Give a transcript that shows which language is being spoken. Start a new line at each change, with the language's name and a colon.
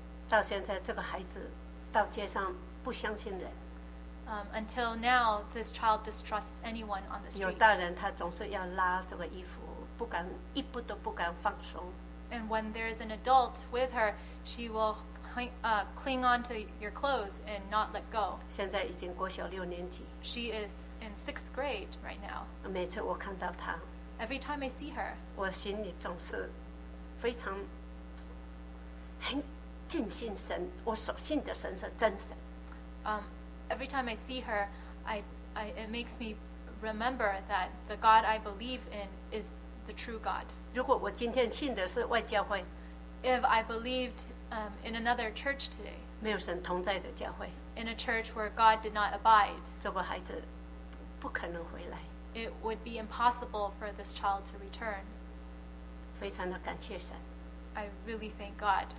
Chinese: 到现在，这个孩子到街上不相信人。
English: Until now, this child distrusts anyone on the street.
Chinese: 有大人，他总是要拉这个衣服，不敢一步都不敢放松。
English: And when there is an adult with her, she will cling on to your clothes and not let go.
Chinese: 现在已经国小六年级。
English: She is in sixth grade right now.
Chinese: 每次我看到她。
English: Every time I see her.
Chinese: 我心里总是非常很敬信神，我所信的神是真神。
English: Every time I see her, it makes me remember that the God I believe in is the true God.
Chinese: 如果我今天信的是外教会。
English: If I believed in another church today,
Chinese: 没有神同在的教会,
English: in a church where God did not abide,
Chinese: 这个孩子不可能回来,
English: it would be impossible for this child to return.
Chinese: 非常的感谢神,
English: I really thank God.